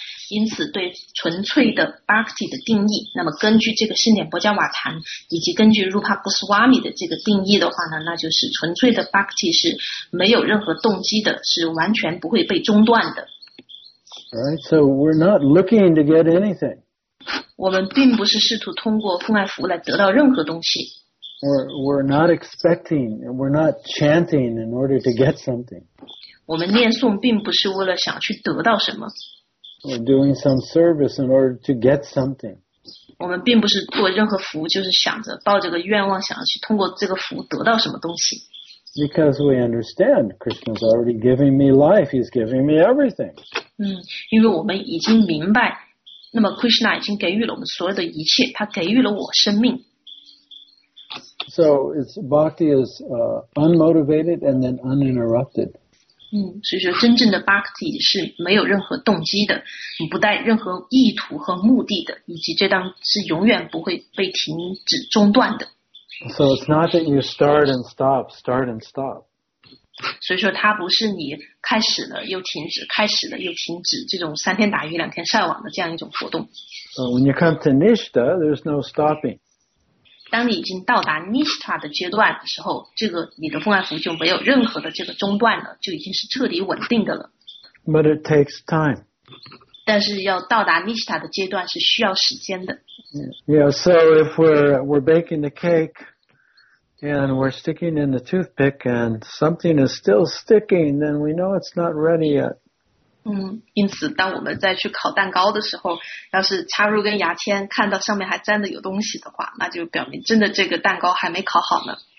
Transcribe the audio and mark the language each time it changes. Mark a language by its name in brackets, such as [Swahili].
[Chinese] 因此对纯粹的 Bhakti 的定义，那么根据这个圣典波迦瓦坛以及根据 Rupa Goswami 的这个定义的话呢，那就是纯粹的 Bhakti 是没有任何动机的，是完全不会被中断的。 [English] Right, so we're not looking to get anything. [Chinese] 我们并不是试图通过父爱服务来得到任何东西。 [English] We're not expecting, we're not chanting in order to get something. [Chinese] 我们念诵并不是为了想去得到什么。 [English] We're doing some service in order to get something. [Chinese] 我们并不是做任何服务，就是想着抱着个愿望，想要去通过这个服务得到什么东西。 [English] Because we understand Krishna's already giving me life, he's giving me everything. [Chinese] 因为我们已经明白，那么 Krishna 已经给予了我们所有的一切，他给予了我生命。 [English] So it's bhakti is unmotivated and then uninterrupted. [Chinese] 所以说真正的 Bhakti 是没有任何动机的，不带任何意图和目的的，以及这当是永远不会被停止中断的。 [English] So it's not that you start and stop, start and stop. [Chinese] 所以说它不是你开始了又停止，开始了又停止，这种三天打鱼两天晒网的这样一种活动。 [English] So when you come to Nishta, there's no stopping. [Chinese] 当你已经到达 Nishta 的阶段的时候，这个你的奉爱服就没有任何的这个中断了，就已经是彻底稳定的了。 [English] But it takes time. [Chinese] 但是要到达 Nishta 的阶段是需要时间的。 [English] Yeah, so if we're baking the cake and we're sticking in the toothpick and something is still sticking, then we know it's not ready yet. [Chinese] 因此当我们在去烤蛋糕的时候，要是插入根牙签看到上面还沾着有东西的话，那就表明真的这个蛋糕还没烤好呢。